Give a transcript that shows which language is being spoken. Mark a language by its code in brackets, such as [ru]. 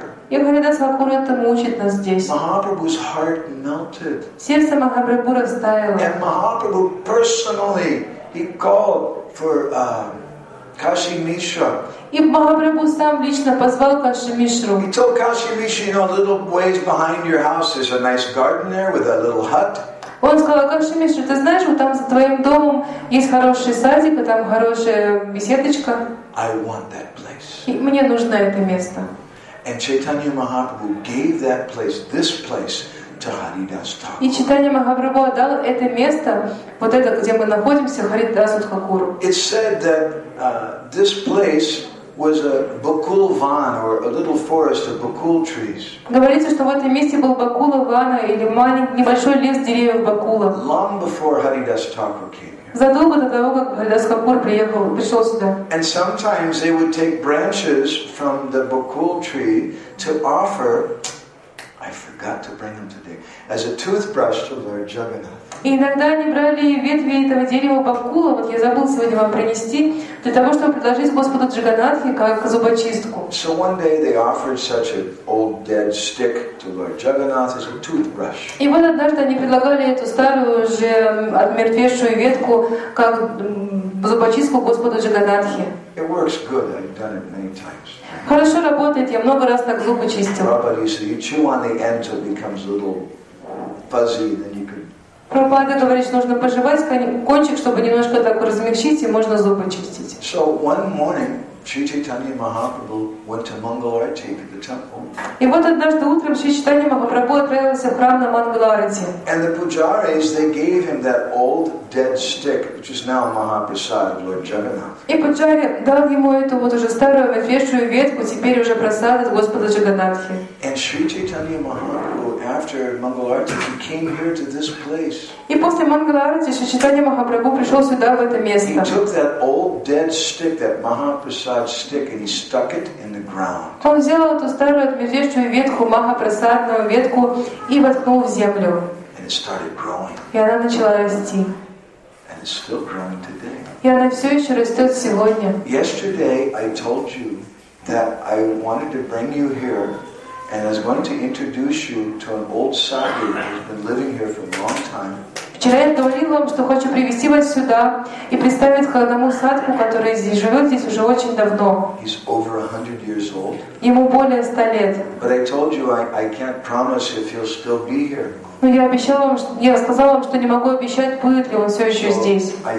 [ru] И Харидас Лакура этому учит нас здесь. [en] Махапрабху's heart melted. [ru] Сердце Махапрабху растаяло. [en] And Mahaprabhu personally, he called for Kashi Mishra. [ru] И Махапрабху сам лично позвал Каши Мишру. [en] He told Kashi Mishra, you know, a little ways behind your house is a nice garden there with a little hut. [ru] Он сказал, Каши Мишра, ты знаешь, вот там за твоим домом есть хороший садик, и там хорошая беседочка. [en] I want that place. [ru] И мне нужно это место. [en] And Chaitanya Mahaprabhu gave that place, this place, to Haridas Thakur. [ru] И Чайтанья Махапрабху дал это место, вот это, где мы находимся, Харидасу Тхакуру. [en] It said that this place was a Bakul Van or a little forest of Bakul trees. [ru] Говорится, что в этом месте был Бакула Вана или маленький небольшой лес деревьев Бакула. [en] Long before Haridas Thakur came. [ru] Задолго до того, как Харидас Тхакур приехал, пришел сюда. [en] And sometimes they would take branches from the Bakul tree to offer. I forgot to bring them today. As a toothbrush to Lord Jagannath. [ru] И иногда они брали ветви этого дерева Бакула, вот я забыл сегодня вам принести, для того, чтобы предложить Господу Джаганатхе как зубочистку. [en] So one day they offered such an old dead stick to Lord Jagannath as a toothbrush. [ru] И вот однажды они предлагали эту старую уже отмертвевшую ветку как зубочистку Господу Джаганатхе. [en] It works good. I've done it many times. [ru] Хорошо работает, я много раз так зубы чистил. [en] Prabhupada, so you chew on the end so it becomes a little fuzzy, then you could. [ru] Пропада говорит, что нужно пожевать кончик, чтобы немножко так размягчить, и можно зубы чистить. [en] So one morning, Sri Chaitanya Mahaprabhu went to Mangalarati to the temple. [ru] И вот однажды утром Шри Чайтанья Махапрабху отправился в храм на Мангаларати. [en] And the pujaris, they gave him that old dead stick, which is now Mahaprasad of Lord Jagannath. [ru] И пуджари дал ему эту вот уже старую ветвящую ветку, теперь уже просад от Господа Джаганатхи. [en] And Sri Chaitanya Mahaprabhu, after Mangalarati, he came here to this place. [ru] И после Мангаларати Шри Чайтанья Махапрабху пришел сюда, в это место. [en] He took that old dead stick, that Mahaprasad stick, and he stuck it in the ground. [ru] Он взял эту старую ветвящую ветку, Махапрасадную ветку, и воткнул в землю. [en] And it started growing. [ru] И она начала расти. [en] It's still growing today. [ru] И она все еще растет сегодня. [en] Yesterday I told you that I wanted to bring you here, and I was going to introduce you to an old sadhu who's been living here for a long time. [ru] Вчера я говорила вам, что хочу привести вас сюда и представить к одному садху, который здесь живет здесь уже очень давно. [en] He's over 100 years old. [ru] Ему более 100 лет. [en] But I told you I can't promise if he'll still be here. [ru] Но я обещала вам, что, я сказала вам, что не могу обещать, будет ли он все еще здесь.